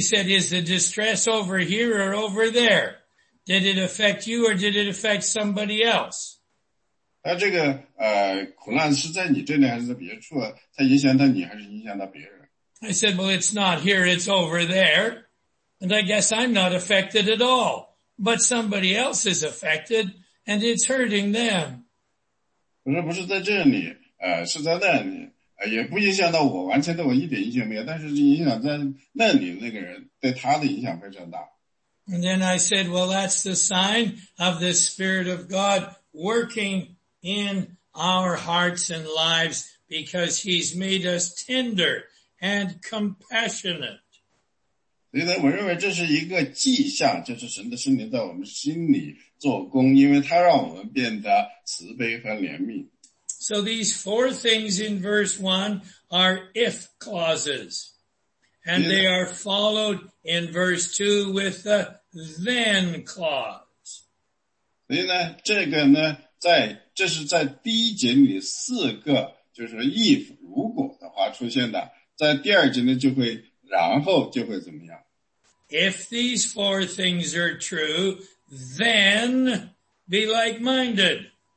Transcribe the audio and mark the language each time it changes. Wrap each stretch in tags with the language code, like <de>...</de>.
<en>said, is the distress over here or over there? Did it affect you or did it affect somebody else?</en> <zh>他这个苦难是在你这里还是别处,他影响到你还是影响到别人?</zh> <en>I said, well, it's not here, it's over there. And I guess I'm not affected at all. But somebody else is affected, and it's hurting them.</en> <zh>不是在这里,是在那里,也不影响到我,完全对我一点影响没有,但是影响在那里那个人,对他的影响非常大。And</zh> <en>then I said, well, that's the sign of the Spirit of God working in our hearts and lives, because he's made us tender and compassionate.</en> <zh>所以呢,我认为这是一个迹象,就是神的圣灵在我们心里做工,因为他让我们变得慈悲和怜悯。</zh> <en>So these four things in verse 1 are if clauses. And they are followed in verse 2 with the then clause.</en> <zh>所以呢,这个呢,在第一节里四个就是if如果的话出现的,在第二节呢就会然后就会怎么样?</zh> <en>If these four things are true, then be like-minded.</en>